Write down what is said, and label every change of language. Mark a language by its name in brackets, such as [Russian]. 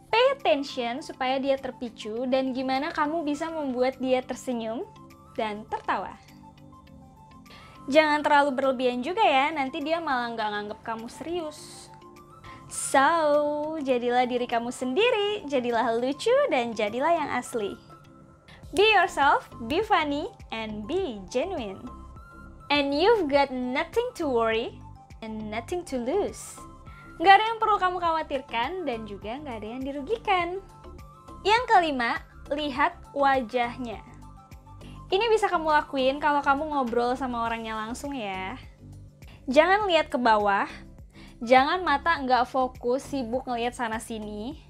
[English] Pay attention [Indonesian] supaya dia terpicu dan gimana kamu bisa membuat dia tersenyum dan tertawa. Jangan terlalu berlebihan juga ya, nanti dia malah nggak nganggep kamu serius. So, jadilah diri kamu sendiri, jadilah lucu, dan jadilah yang asli. [English] Be yourself, be funny, and be genuine. And you've got nothing to worry, and nothing to lose. [Indonesian] Nggak ada yang perlu kamu khawatirkan, dan juga nggak ada yang dirugikan. Yang kelima, lihat wajahnya. Ini bisa kamu lakuin kalau kamu ngobrol sama orangnya langsung ya. Jangan lihat ke bawah. Jangan mata nggak fokus, sibuk ngelihat sana-sini.